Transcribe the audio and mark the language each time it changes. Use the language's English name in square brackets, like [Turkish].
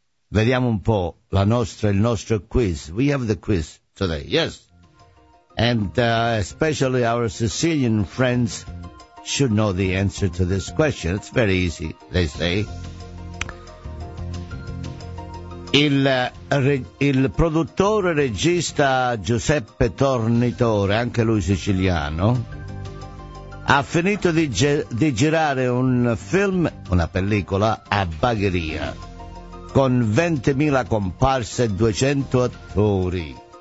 [Italian] Vediamo un po' la nostra, il nostro quiz. [English] We have the quiz today, yes. And especially our Sicilian friends should know the answer to this question. It's very easy, they say. [Italian] Il produttore regista Giuseppe Tornitore, anche lui siciliano, ha finito di girare un film, una pellicola, a Bagheria, con 20.000 comparse e 200 attori.